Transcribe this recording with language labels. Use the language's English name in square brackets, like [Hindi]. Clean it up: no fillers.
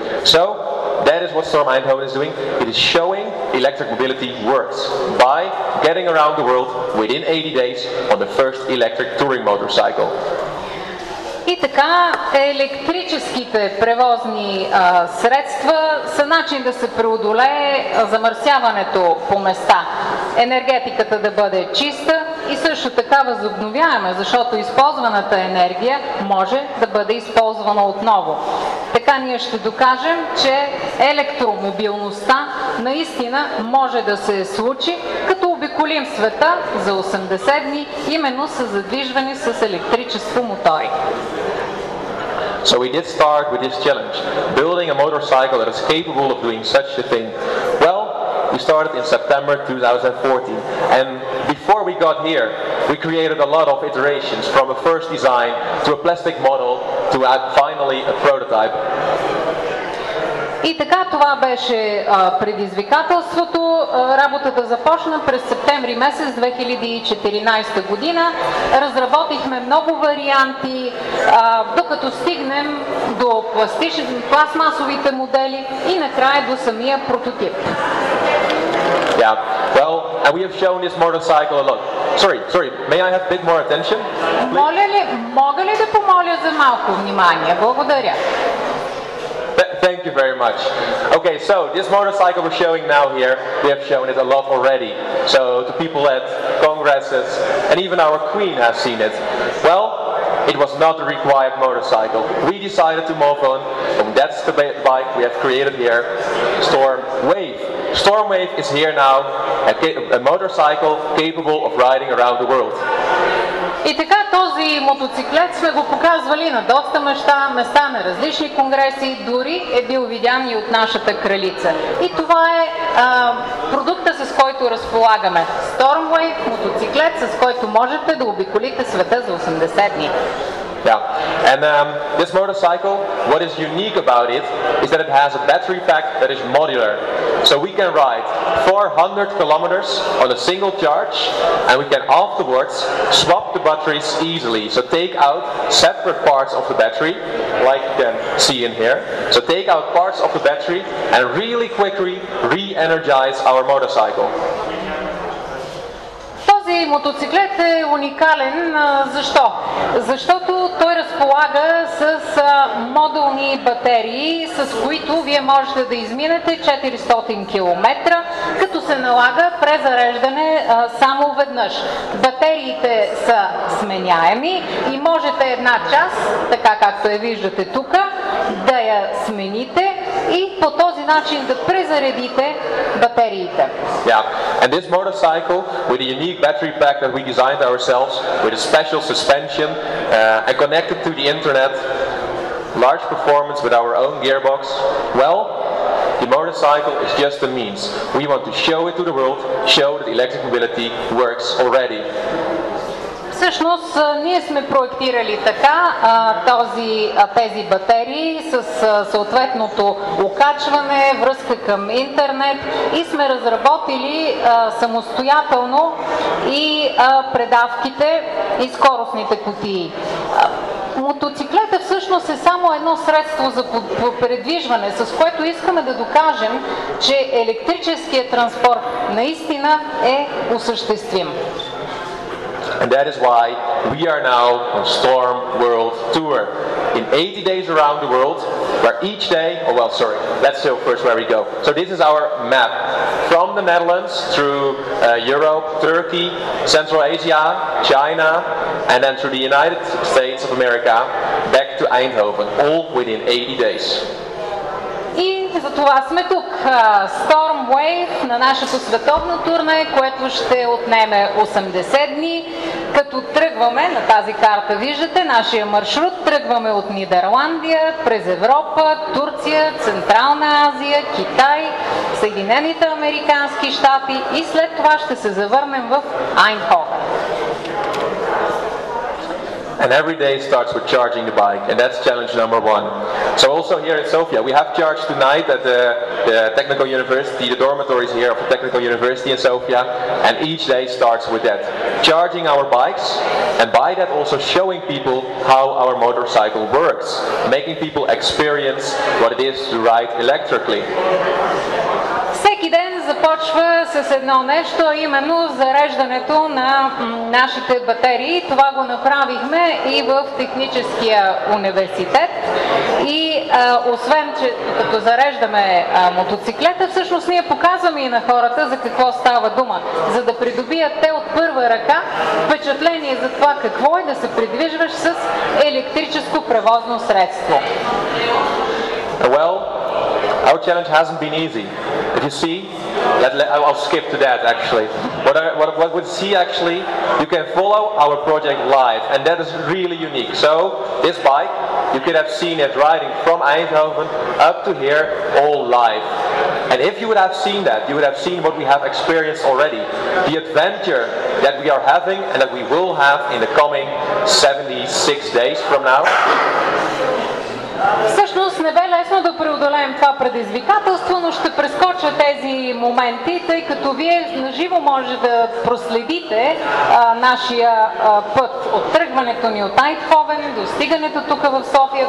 [English] So that is what Storm Eindhoven is doing. It is showing electric mobility works by getting around the world within 80 days on the first electric touring motorcycle. [Bulgarian] И така, електрическите превозни средства са начин да се преодолее замърсяването по места, енергетиката да бъде чиста и също така възобновяема, защото използваната енергия може да бъде използвана отново. Така ние ще докажем, че електромобилността наистина може да се случи, като обиколим света за 80 дни, именно с задвижване с електричество мотори. [English] So we did start with this challenge, building a motorcycle that is capable of doing such a thing. Well, we started in September 2014, and before we got here, we created a lot of iterations, from a first design to a plastic model to finally a prototype. [Bulgarian] И така това беше предизвикателството. Работата започна през септември месец 2014 година. Разработихме много варианти, докато стигнем до пластмасовите модели и накрая до самия прототип. [English] Yeah. Well, and we have shown this motorcycle a lot. Sorry, may I have a bit more attention? [Bulgarian] Мога ли да помоля за малко внимание? Благодаря. [English] Thank you very much. Okay, so this motorcycle we're showing now here, we have shown it a lot already. So to people at congresses, and even our queen has seen it. Well, it was not the required motorcycle. We decided to move on from that bike we have created here, Storm Wave. Stormwave is here now, a motorcycle capable of riding around the world. [Bulgarian] И така този мотоциклет сме го показвали на доста места, места на различни конгреси, дори е бил видян и от нашата кралица. И това е продукта, с който разполагаме. Stormwave, мотоциклет, с който можете да обиколите света за 80 дни. [English] Yeah, and this motorcycle, what is unique about it is that it has a battery pack that is modular. So we can ride 400 kilometers on a single charge, and we can afterwards swap the batteries easily. So take out separate parts of the battery, like you can see in here. So take out parts of the battery and really quickly re-energize our motorcycle. [Bulgarian] Този мотоциклет е уникален. Защо? Защото той разполага с модулни батерии, с които вие можете да изминете 400 км, като се налага презареждане само веднъж. Батериите са сменяеми и можете една част, така както я виждате тук, да я смените и по този начин да презаредите батериите. [English] Yeah. And this motorcycle with a unique battery pack that we designed ourselves with a special suspension and connected to the internet, large performance with our own gearbox. Well, the motorcycle is just a means. We want to show it to the world, show that electric mobility works already. [Bulgarian] Всъщност, ние сме проектирали така тези батерии с съответното окачване, връзка към интернет и сме разработили самостоятелно и предавките и скоростните кутии. Мотоциклетът всъщност е само едно средство за передвижване, с което искаме да докажем, че електрическият транспорт наистина е осъществим. [English] And that is why we are now on Storm World Tour. In 80 days around the world, where each day, let's show first where we go. So this is our map. From the Netherlands through Europe, Turkey, Central Asia, China, and then through the United States of America, back to Eindhoven, all within 80 days. [Bulgarian] И за това сме тук. Storm Wave на нашето световно турне, което ще отнеме 80 дни. Като тръгваме, на тази карта виждате нашия маршрут, тръгваме от Нидерландия, през Европа, Турция, Централна Азия, Китай, Съединените американски щати и след това ще се завърнем в Айнхофен. [English] And every day starts with charging the bike, and that's challenge number one. So also here in Sofia, we have charged tonight at the Technical University, the dormitories here of the Technical University in Sofia, and each day starts with that. Charging our bikes, and by that also showing people how our motorcycle works, making people experience what it is to ride electrically. [Bulgarian] Всеки ден започва с едно нещо, именно зареждането на нашите батерии. Това го направихме и в Техническия университет. И освен, че като зареждаме мотоциклета, всъщност ние показваме и на хората за какво става дума. За да придобият те от първа ръка впечатление за това какво е да се придвижваш с електрическо превозно средство. [English] Well, our challenge hasn't been easy. If you see, I'll skip to that actually. What we see actually, you can follow our project live, and that is really unique. So this bike, you could have seen it riding from Eindhoven up to here all live. And if you would have seen that, you would have seen what we have experienced already. The adventure that we are having and that we will have in the coming 76 days from now. [Bulgarian] Всъщност не бе лесно да преодолеем това предизвикателство, но ще прескоча тези моменти, тъй като вие наживо може да проследите нашия път от тръгването ни от Айндховен, достигането тук в София.